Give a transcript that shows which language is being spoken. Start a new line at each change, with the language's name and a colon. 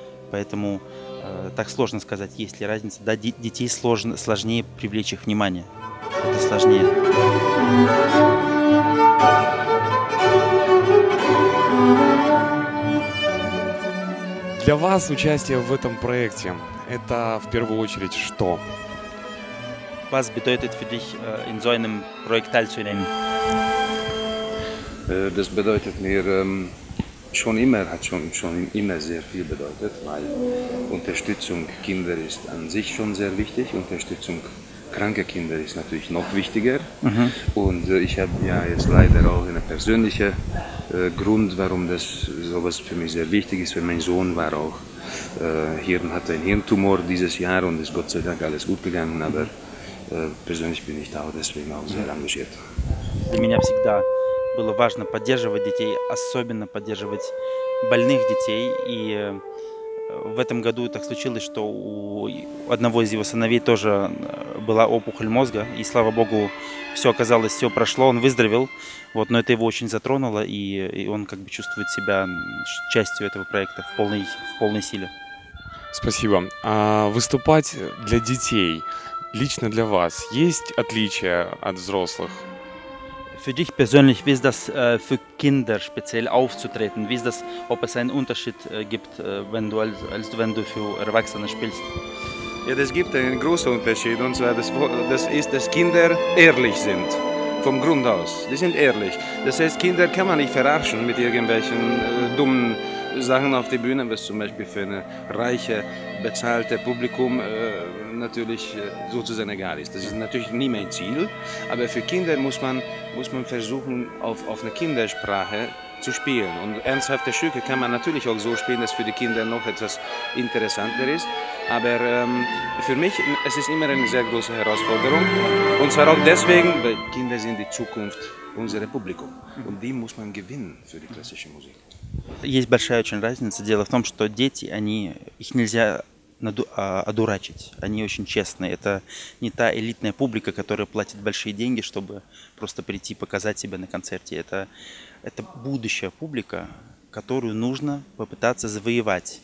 Russian: Поэтому так сложно сказать, есть ли разница. Да, детей сложнее привлечь их внимание. Это сложнее. Для вас участие в этом проекте – это в первую очередь что?
German: Was bedeutet für dich in so einem Projekt teilzunehmen? Das bedeutet mir hat schon immer sehr viel bedeutet, weil Unterstützung Kinder ist an sich schon sehr wichtig. Unterstützung kranker Kinder ist natürlich noch wichtiger. Mhm. Und ich habe ja jetzt leider auch eine persönliche Grund, warum das sowas für mich sehr wichtig ist, weil mein Sohn war auch hatte einen Hirntumor dieses Jahr und ist Gott sei Dank alles gut gegangen, aber persönlich bin ich da auch deswegen auch sehr engagiert.
Russian: Для меня всегда было важно поддерживать детей, особенно поддерживать больных детей. И в этом году так случилось, что у одного из его сыновей тоже была опухоль мозга, и слава богу, все оказалось, все прошло, он выздоровел. Вот, но это его очень затронуло, и он как бы чувствует себя частью этого проекта в полной силе. Спасибо. А выступать для детей лично для вас есть отличие от взрослых?
German: Für dich persönlich, wie ist das für Kinder speziell aufzutreten? Wie ist das, ob es einen Unterschied gibt, wenn du für Erwachsene spielst? Ja, das gibt einen großen Unterschied, und zwar dass Kinder ehrlich sind, vom Grund aus. Die sind ehrlich. Das heißt, Kinder kann man nicht verarschen mit irgendwelchen dummen Sachen auf die Bühne, was zum Beispiel für eine reiche, bezahlte Publikum natürlich sozusagen egal ist. Das ist natürlich nie mein Ziel, aber für Kinder muss man muss man versuchen, auf eine Kindersprache zu spielen. Und ernsthafte Stücke kann man natürlich auch so spielen, dass für die Kinder noch etwas interessanter ist. Aber für mich es ist immer eine sehr große Herausforderung. Und zwar auch deswegen, weil Kinder sind die Zukunft unseres Publikums. Und die muss man gewinnen für die klassische Musik.
Russian: Есть большая очень разница. Дело в том, что дети, они, их нельзя одурачить. Они очень честные. Это не та элитная публика, которая платит большие деньги, чтобы просто прийти показать себя на концерте. Это будущая публика, которую нужно попытаться завоевать.